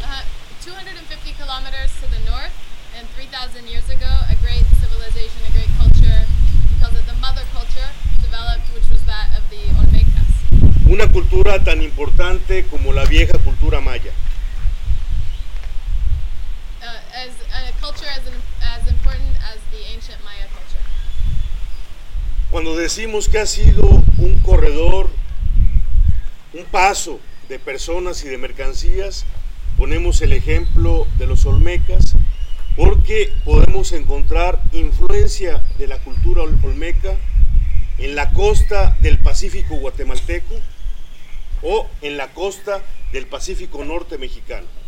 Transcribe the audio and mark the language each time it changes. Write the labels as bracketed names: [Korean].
[English] 250 kilometers to the north, and 3,000 years ago, a great civilization, a great culture, we call it the mother culture, developed, which was that of the Olmecas. [Spanish] Una cultura tan importante como la vieja cultura maya. [English] A culture as important as the ancient Maya culture. [Spanish] Cuando decimos que ha sido un corredor, un paso de personas y de mercancías, ponemos el ejemplo de los Olmecas porque podemos encontrar influencia de la cultura Olmeca en la costa del Pacífico guatemalteco o en la costa del Pacífico Norte mexicano.